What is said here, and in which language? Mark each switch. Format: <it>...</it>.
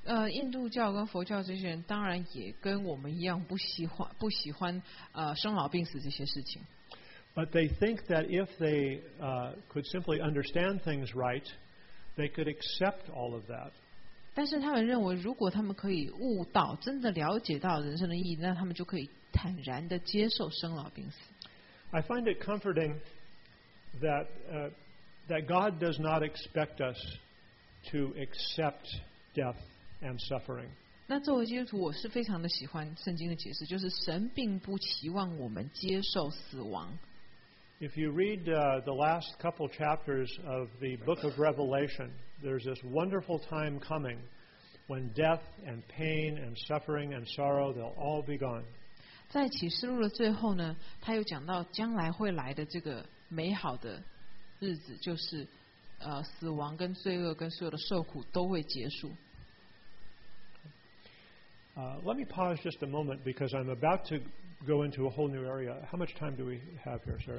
<zh>印度教跟佛教这些人当然也跟我们一样不喜欢生老病死这些事情。</zh> <en>But they think that if they could simply understand things right, they could accept all of that.</en> <zh>但是他们认为，如果他们可以悟到，真的了解到人生的意义，那他们就可以坦然地接受生老病死。</zh> <en>I find it comforting that God does not expect us to accept death and suffering.</en> <zh>那作为基督徒，我是非常的喜欢圣经的解释，就是神并不期望我们接受死亡。</zh> <en>If you read the last couple chapters of the book of Revelation, there's this wonderful time coming when death and pain and suffering and sorrow, they'll all be gone.</en> <zh>在启示录的最后呢，他又讲到将来会来的这个美好的日子，就是死亡跟罪恶跟所有的受苦都会结束。</zh> <en>Let me pause just a moment because I'm about to go into a whole new area. How much time do we have here, sir?</en>